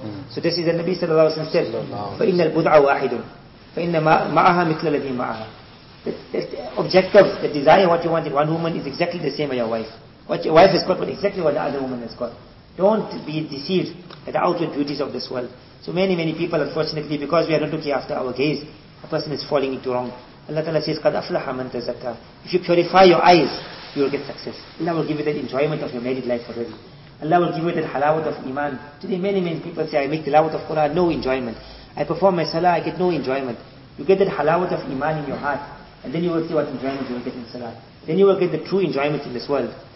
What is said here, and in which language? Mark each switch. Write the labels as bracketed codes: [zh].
[en] So this is the Nabi [ar] sallallahu alayhi wa sallam [en] said, [ar] فَإِنَّ الْبُدْعَ وَاحِدٌ فَإِنَّ مَعَهَا مِثْلَ الَّذِي مَعَهَا. [en] The objective, the desire, what you want in one woman is exactly the same as your wife. What your wife has got, but exactly what the other woman has got. Don't be deceived at the outward beauties of this world. So many, many people, unfortunately, because we are not looking after our gaze, a person is falling into wrong. Allah Ta'ala says, [ar] قَدْ أَفْلَحَ مَنْ تَزَكَى. [en] If you purify your eyes, you will get success. Allah will give you that enjoyment of your married life already. Allah will give you that halawat of iman. Today, many, many people say, I make tilawat of Quran, no enjoyment. I perform my salah, I get no enjoyment. You get that halawat of iman in your heart. And then you will see what enjoyment you will get in Salah. Then you will get the true enjoyment in this world.